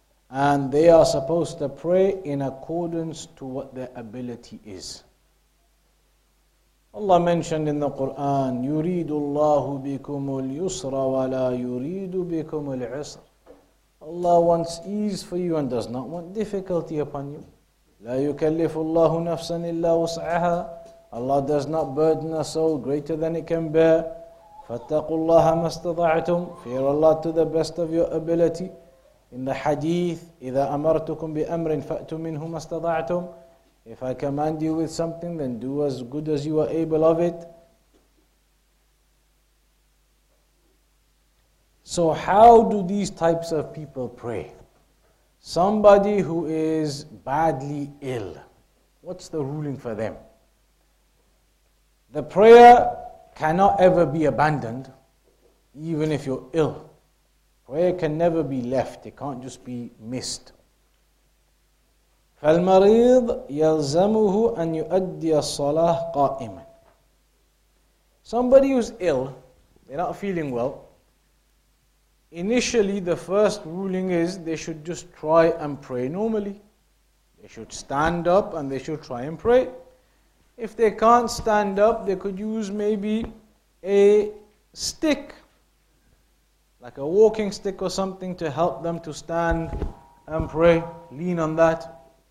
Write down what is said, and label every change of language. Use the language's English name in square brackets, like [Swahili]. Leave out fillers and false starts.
[English] And they are supposed to pray in accordance to what their ability is. Allah mentioned in the Quran, [Arabic] يُرِيدُ اللَّهُ بِكُمُ الْيُسْرَ وَلَا يُرِيدُ بِكُمُ الْعِسْرَ. [English] Allah wants ease for you and does not want difficulty upon you. [Arabic] لا يكلف الله نفسا إلا وسعها. [English] Allah does not burden a soul greater than it can bear. [Arabic] فاتقوا الله ما استطعتم. [English] Fear Allah to the best of your ability. In the hadith, [Arabic] إذا أمرتكم بأمر فأتوا منه ما استطعتم. [English] If I command you with something, then do as good as you are able of it. So how do these types of people pray? Somebody who is badly ill, what's the ruling for them? The prayer cannot ever be abandoned, even if you're ill. Prayer can never be left, it can't just be missed. [Arabic] فالمريض يلزمه أن يؤدي الصلاة قائما. [English] Somebody who's ill, they're not feeling well, initially, the first ruling is they should just try and pray normally. They should stand up and they should try and pray. If they can't stand up, they could use maybe a stick, like a walking stick or something, to help them to stand and pray, lean on that.